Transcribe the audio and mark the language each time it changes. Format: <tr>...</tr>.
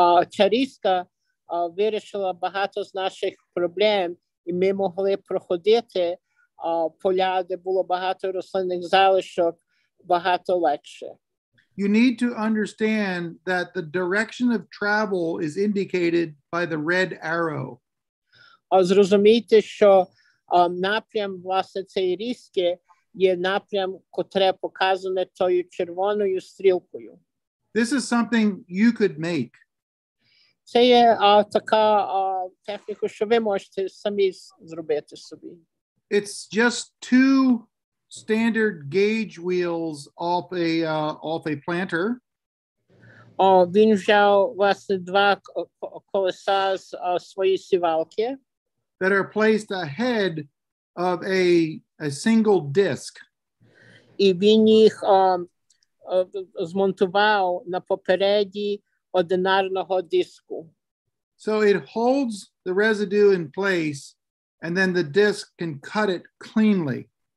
<uk>Чаріска вирішила багато з наших проблем, і ми могли проходити поля, де було багато рослинних залишок, багато легше.</uk> <en>You need to understand that the direction of travel is indicated by the red arrow.</en> <uk>Зрозумійте, що напрям, власне, цієї різки є напрям, котре показане тою червоною стрілкою.</uk> <en>This is something you could make.</en> <uk>Це є така техніка, що ви можете самі зробити собі.</uk> <en>It's just two standard gauge wheels off a planter.</en> <uk>Він взяв, власне, два колеса з своєї сівалки.</uk> <en>That are placed ahead of a single disc.</en> <uk>І він їх змонтував на попереді одинарного диску.</uk> <en>So it holds the residue in place, and then the disc can cut it cleanly.</en>